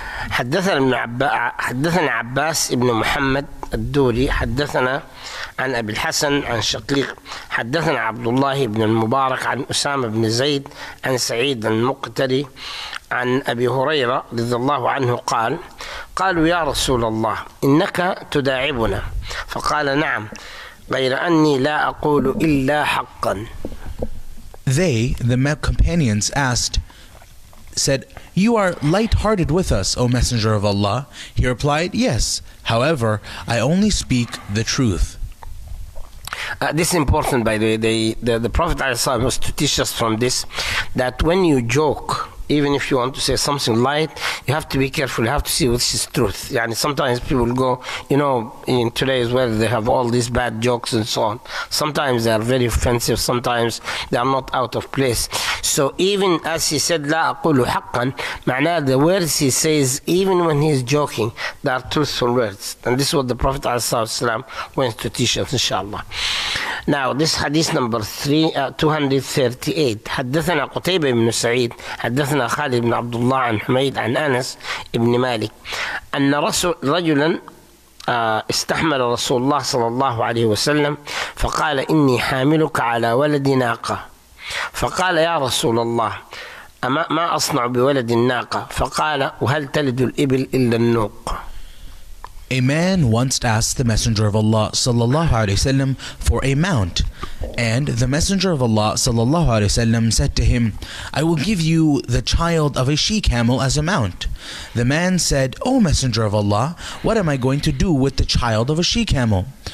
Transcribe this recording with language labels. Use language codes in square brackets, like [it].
[ar] حدثنا عباس ابن محمد الدوري حدثنا عن أبي الحسن عن شقيق حدثنا عبد الله بن المبارك عن أسامة بن زيد عن سعيد المقتري عن أبي هريرة رضي الله عنه قال قالوا يا رسول الله إنك تداعبنا فقال نعم غير أني لا أقول إلا حقا. [en] They, the companions, said, "You are light-hearted with us, O Messenger of Allah." He replied, "Yes. However, I only speak the truth." This is important, by the way. The Prophet ﷺ was to teach us from this that when you joke, even if you want to say something light, you have to be careful. You have to see which is truth. And sometimes people go, you know, in today's world, they have all these bad jokes and so on. Sometimes they are very offensive. Sometimes they are not out of place. So even as he said, [ar] لا أقول حقا, معناه [en] the words he says, even when he is joking, they are truthful words. And this is what the Prophet ﷺ went to teach us, inshallah. Now, this hadith number 238. [ar] حدثنا قتيبة بن سعيد, حدثنا خالد بن عبد الله عن حميد عن أنس بن مالك أن رجلا استحمل رسول الله صلى الله عليه وسلم فقال إني حاملك على ولد ناقة. فقال يا رسول الله, أما ما أصنع بولد الناقة؟ فقال, وهل تلد الإبل إلا النوق؟ [en] A man once asked the Messenger of Allah sallallahu alaihi wasallam for a mount, and the Messenger of Allah sallallahu alaihi wasallam said to him, "I will give you the child of a she-camel as a mount." The man said, "O Messenger of Allah, what am I going to do with the child of a she-camel?"